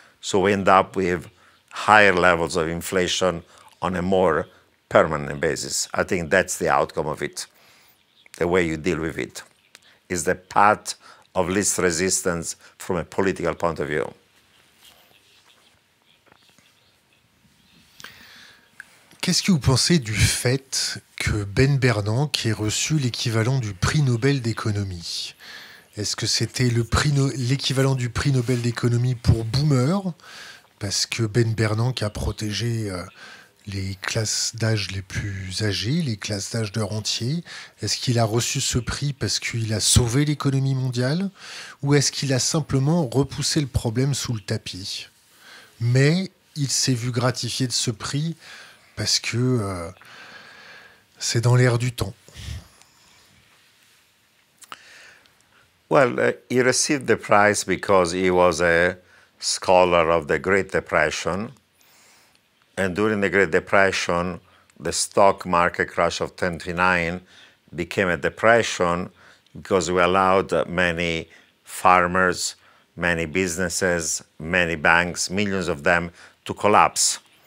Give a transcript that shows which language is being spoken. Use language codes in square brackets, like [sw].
[en] So we end up with higher levels of inflation on a more permanent basis. I think that's the outcome of it, the way you deal with it. It's the path of least resistance from a political point of view. [fr] Qu'est-ce que vous pensez du fait que Ben Bernanke ait reçu l'équivalent du prix Nobel d'économie? Est-ce que c'était l'équivalent du prix Nobel d'économie pour Boomer, parce que Ben Bernanke a protégé les classes d'âge les plus âgées, les classes d'âge de rentiers? Est-ce qu'il a reçu ce prix parce qu'il a sauvé l'économie mondiale? Ou est-ce qu'il a simplement repoussé le problème sous le tapis? Mais il s'est vu gratifié de ce prix parce que c'est dans l'air du temps. [en] Well, he received the prize because he was a scholar of the Great Depression. And during the Great Depression, the stock market crash of 1929 became a depression because we allowed many farmers, many businesses, many banks, millions of them, to collapse.